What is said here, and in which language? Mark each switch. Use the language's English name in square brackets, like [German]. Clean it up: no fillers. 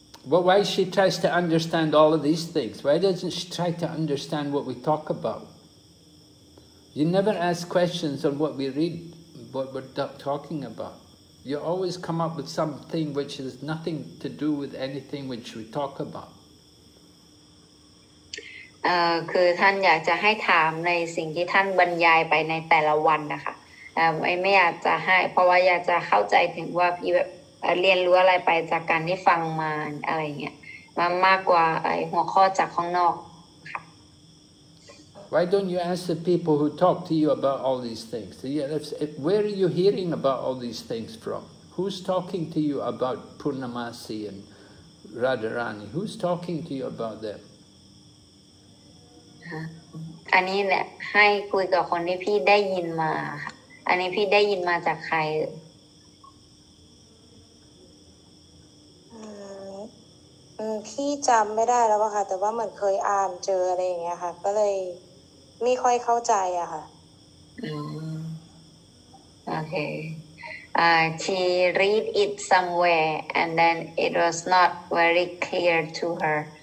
[English] Well, why she tries to understand all of these things? Why doesn't she try to understand what we talk about? You never ask questions on what we read, what we're talking about. You always come up with something which has nothing to do with anything which we talk about. [Thai] คือท่านอยากจะให้ถามในสิ่งที่ท่านบรรยายไปในแต่ละวันนะคะไม่อยากจะให้เพราะว่าอยากจะเข้าใจถึงว่าพี่แบบเรียนรู้อะไรไปจากการที่ฟังมาอะไรเงี้ยมากกว่าไอ้หัวข้อจากข้างนอก [English] Why don't you ask the people who talk to you about all these things? Where are you hearing about all these things from? Who's talking to you about Purnamasi and Radharani? Who's talking to you about them? [Thai] อันนี้เนี่ยให้คุยกับคนที่พี่ได้ยินมาอันนี้พี่ได้ยินมาจากใคร พี่จำไม่ได้แล้วอะค่ะแต่ว่าเหมือนเคยอ่านเจออะไรอย่างเงี้ยค่ะก็เลยไม่ค่อยเข้าใจอะค่ะ [English] โอเคShe read it somewhere and then it was not very clear to her